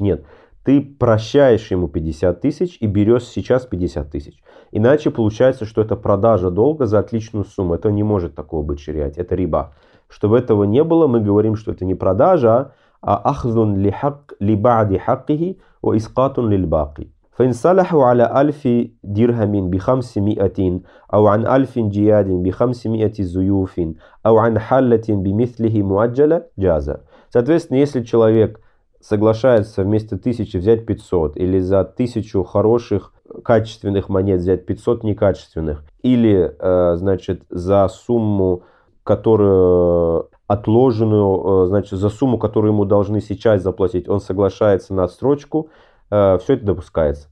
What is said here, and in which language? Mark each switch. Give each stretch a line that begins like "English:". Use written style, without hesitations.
Russian: Нет, ты прощаешь ему 50 тысяч и берешь сейчас 50 тысяч. Иначе получается, что это продажа долга за отличную сумму. Это не может такого быть шариать, это риба. Чтобы этого не было, мы говорим, что это не продажа, а
Arabic: ахзун ли хак, ли баади хаккихи, ва искатун лиль баки. فإن صلحوا على 1000 درهم ب500 أو عن 1000 جياد ب500 زيوف أو عن حلة بمثله مؤجلة جاز.
Russian: Соответственно, если человек соглашается вместо 1000 взять 500 или за 1000 хороших качественных монет взять 500 некачественных, или значит за сумму, которую отложенную, значит за сумму, которую ему должны сейчас заплатить, он соглашается на отсрочку, все это допускается.